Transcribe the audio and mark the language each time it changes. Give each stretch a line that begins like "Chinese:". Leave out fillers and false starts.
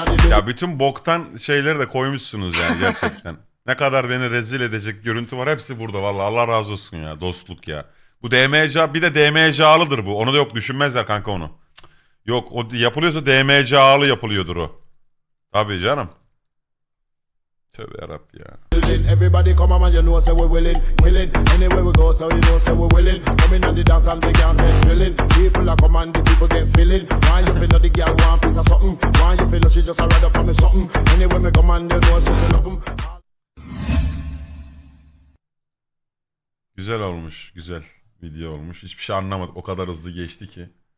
Turkish: Ya bütün boktan şeyleri de koymuşsunuz yani gerçekten. Ne kadar beni rezil edecek görüntü var, hepsi burada vallahi. Allah razı olsun ya, dostluk ya. Bu DMCA, bir de DMCA'lıdır bu. Onu da yok, düşünmezler kanka onu. Yok, o yapılıyorsa DMCA'lı yapılıyordur o. Tabii canım. Tövbe yarabbim ya.
English: Everybody come on, you know say we willing, willing. Anywhere we go, so you know say we willing. Coming on the dance and the girls get drilling. People are coming, the people get feeling. Why you feel the girl want piece of something? Why you feel she just a ride up on me something? Anywhere we come on, you know say she love 'em.
Turkish: Güzel olmuş, güzel video olmuş. Hiçbir şey anlamadım. O kadar hızlı geçti ki.